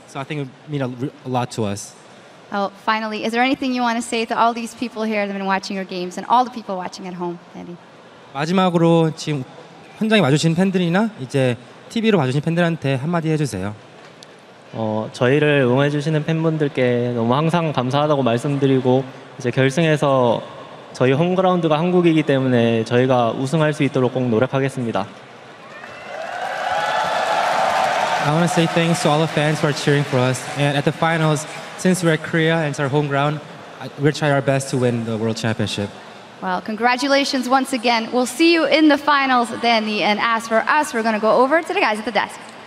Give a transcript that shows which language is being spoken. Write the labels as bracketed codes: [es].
[en] So I think it would mean a lot to us. Oh, finally, is there anything you want to say to all these people here that have been watching your games and all the people watching at home, Danny? [ko] 마지막으로 지금 현장에 와주신 팬들이나 이제 TV로 봐주신 팬들한테 한마디 해주세요. 저희를 응원해주시는 팬분들께 너무 항상 감사하다고 말씀드리고 이제 결승에서 저희 홈그라운드가 한국이기 때문에 저희가 우승할 수 있도록 꼭 노력하겠습니다. [en] I want to say thanks to all the fans who are cheering for us. And at the finals, since we're at Korea and it's our home ground, we'll try our best to win the World Championship. Well, congratulations once again. We'll see you in the finals, Danny. And as for us, we're going to go over to the guys at the desk.